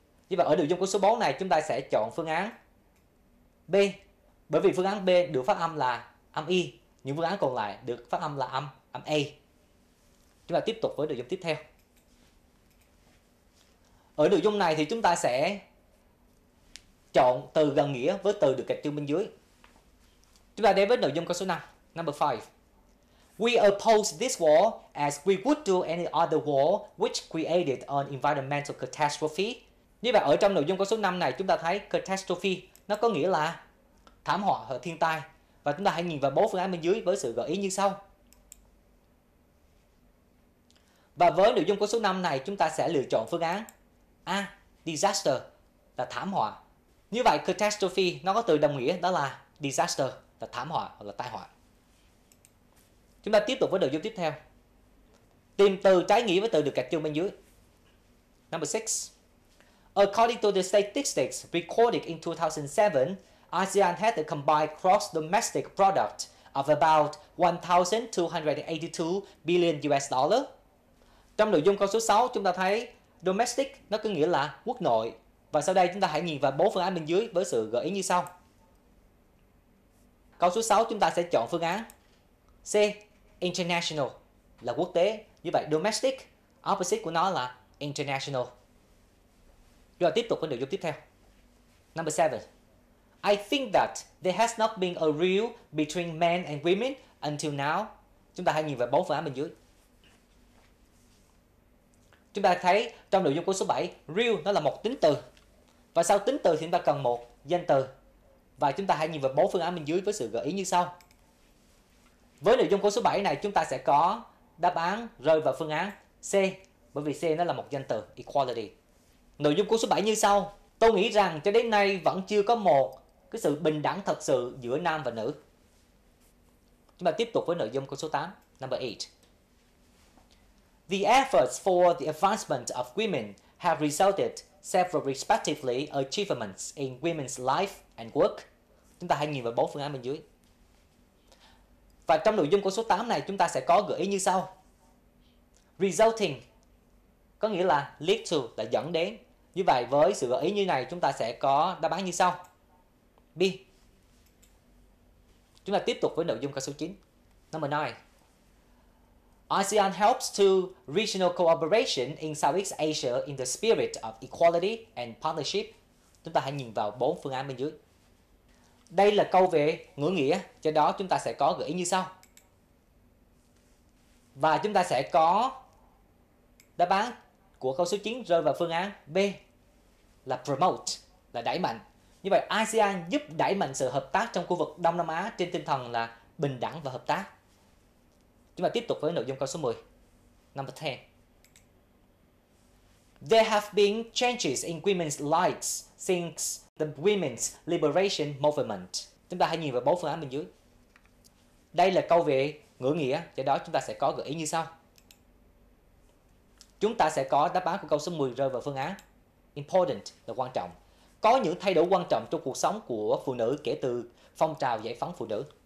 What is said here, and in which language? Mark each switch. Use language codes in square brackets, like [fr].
[vi] Như vậy ở nội dung câu số 4 này chúng ta sẽ chọn phương án B, bởi vì phương án B được phát âm là âm I, những phương án còn lại được phát âm là âm A. Chúng ta tiếp tục với nội dung tiếp theo. Ở nội dung này thì chúng ta sẽ chọn từ gần nghĩa với từ được gạch chữ bên dưới. Chúng ta đến với nội dung câu số 5. [en] Number 5. We oppose this war as we would do any other war which created an environmental catastrophe. [vi] Như vậy ở trong nội dung câu số 5 này chúng ta thấy catastrophe nó có nghĩa là thảm họa hoặc thiên tai. Và chúng ta hãy nhìn vào bốn phương án bên dưới với sự gợi ý như sau. Và với nội dung câu số 5 này chúng ta sẽ lựa chọn phương án A, disaster, là thảm họa. Như vậy catastrophe nó có từ đồng nghĩa đó là disaster, là thảm họa hoặc là tai họa. Chúng ta tiếp tục với nội dung tiếp theo. Tìm từ trái nghĩa với từ được gạch chung bên dưới. [en] Number 6. According to the statistics recorded in 2007, ASEAN had a combined gross domestic product of about 1,282 billion US dollar. [vi] Trong nội dung câu số 6, chúng ta thấy domestic nó có nghĩa là quốc nội. Và sau đây chúng ta hãy nhìn vào bốn phương án bên dưới với sự gợi ý như sau. Câu số 6 chúng ta sẽ chọn phương án C, international, là quốc tế. Như vậy domestic, opposite của nó là international. Rồi tiếp tục với nội dung tiếp theo. [en] Number 7. I think that there has not been a rift between men and women until now. [vi] Chúng ta hãy nhìn vào bốn phương án bên dưới. Chúng ta thấy trong nội dung câu số 7, rift nó là một tính từ. Và sau tính từ thì chúng ta cần một danh từ. Và chúng ta hãy nhìn vào bốn phương án bên dưới với sự gợi ý như sau. Với nội dung câu số 7 này, chúng ta sẽ có đáp án rơi vào phương án C, bởi vì C nó là một danh từ, equality. Nội dung câu số 7 như sau. Tôi nghĩ rằng cho đến nay vẫn chưa có một cái sự bình đẳng thật sự giữa nam và nữ. Chúng ta tiếp tục với nội dung câu số 8, [en] number 8. The efforts for the advancement of women have resulted several respectively achievements in women's life and work. [vi] Chúng ta hãy nhìn vào bốn phương án bên dưới. Và trong nội dung câu số 8 này chúng ta sẽ có gợi ý như sau. Resulting có nghĩa là lead to, là dẫn đến. Như vậy với sự gợi ý như này chúng ta sẽ có đáp án như sau. B. Chúng ta tiếp tục với nội dung câu số 9. [en] Number 9. ASEAN helps to regional cooperation in Southeast Asia in the spirit of equality and partnership. [vi] Chúng ta hãy nhìn vào bốn phương án bên dưới. Đây là câu về ngữ nghĩa, cho đó chúng ta sẽ có gợi ý như sau. Và chúng ta sẽ có đáp án của câu số 9 rơi vào phương án B là promote, là đẩy mạnh. Như vậy ASEAN giúp đẩy mạnh sự hợp tác trong khu vực Đông Nam Á trên tinh thần là bình đẳng và hợp tác. Chúng ta tiếp tục với nội dung câu số 10. [en] Number 10. There have been changes in women's lives since the Women's Liberation Movement. [vi] Chúng ta hãy nhìn vào bốn phương án bên dưới. Đây là câu về ngữ nghĩa, do đó chúng ta sẽ có gợi ý như sau. Chúng ta sẽ có đáp án của câu số 10 rơi vào phương án important, là quan trọng. Có những thay đổi quan trọng trong cuộc sống của phụ nữ kể từ phong trào giải phóng phụ nữ.